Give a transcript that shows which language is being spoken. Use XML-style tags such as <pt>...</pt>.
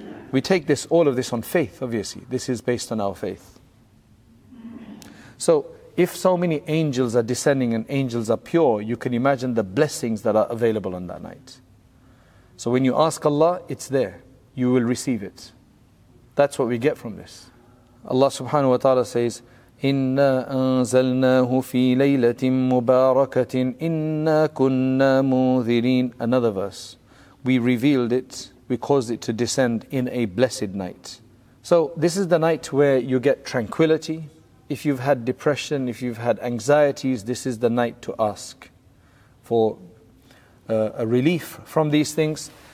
<en>We take this, all of this, on faith, obviously. This is based on our faith. So if so many angels are descending and angels are pure, you can imagine the blessings that are available on that night. So when you ask Allah, it's there. You will receive it. That's what we get from this. Allah subhanahu wa ta'ala says,</en> <ar>إِنَّا أَنزَلْنَاهُ فِي لَيْلَةٍ مُبَارَكَةٍ إِنَّا كُنَّا مُنذِرِينَ.</ar> <en>Another verse. We revealed it. We caused it to descend in a blessed night. So this is the night where you get tranquility. If you've had depression, if you've had anxieties, this is the night to ask for a relief from these things.</en>